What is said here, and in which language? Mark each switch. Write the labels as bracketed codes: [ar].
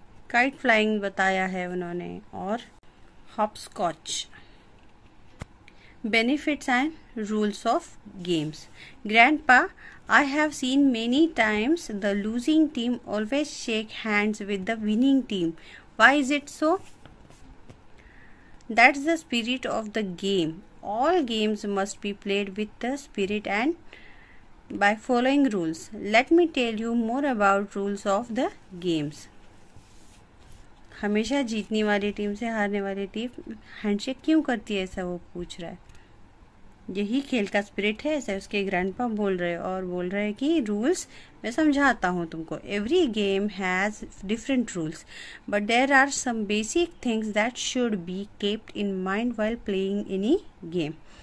[hi] Kite flying बताया है उन्होंने. और hopscotch. [en] Benefits and rules of games. Grandpa, I have seen many times the losing team always shake hands with the winning team. Why is it so? That is the spirit of the game. All games must be played with the spirit and by following rules. Let me tell you more about rules of the games. [hi] हमेशा जीतने वाली team से हारने वाली team handshake क्यों करती है, ऐसा वो पूछ रहा है. यही खेल का स्पिरिट है, ऐसा उसके ग्रैंडपा बोल रहे हैं. और बोल रहे हैं कि रूल्स मैं समझाता हूँ तुमको. [en] Every game has different rules but there are some basic things that should be kept in mind while playing any game.